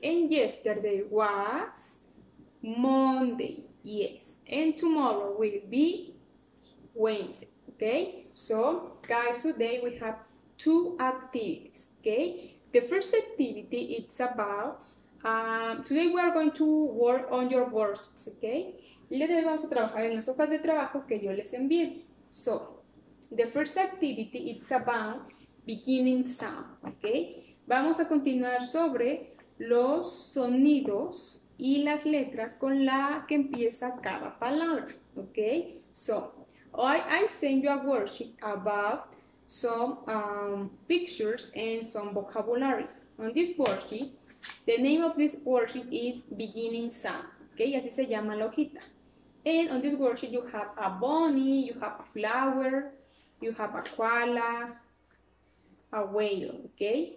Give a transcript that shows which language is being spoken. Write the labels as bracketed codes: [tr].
[en] And yesterday was Monday, yes. And tomorrow will be Wednesday, okay? So guys, today we have two activities, okay? The first activity is about, today we are going to work on your words, okay? [es] Y les vamos a trabajar en las hojas de trabajo que yo les envié. [en] So, the first activity is about beginning sound, okay? [es] Vamos a continuar sobre los sonidos y las letras con la que empieza cada palabra, okay? [en] So, I send you a worksheet about some pictures and some vocabulary. On this worksheet, the name of this worksheet is beginning sound, okay? [es] Así se llama la hojita. [en] And on this worksheet, you have a bunny, you have a flower, you have a koala, a whale, okay?